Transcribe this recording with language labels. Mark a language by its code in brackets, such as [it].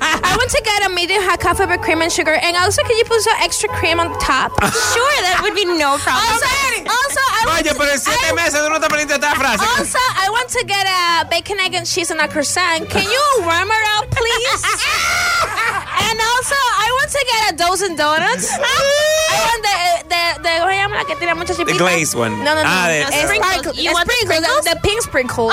[en] I want to get a medium hot coffee with cream and sugar. And also, can you put some extra cream on the top? Sure, that would be no problem. Also, I want [es] Vaya, pero en siete meses tú no te perdiste esta frase. [en] Also, I want to get a bacon, egg, and cheese and a croissant. Can you warm her up, please? And also, I want to get a dozen donuts. I want the [es] ¿cómo se llama? Que tiene mucha chipita. [en] The glaze one. The pink sprinkles.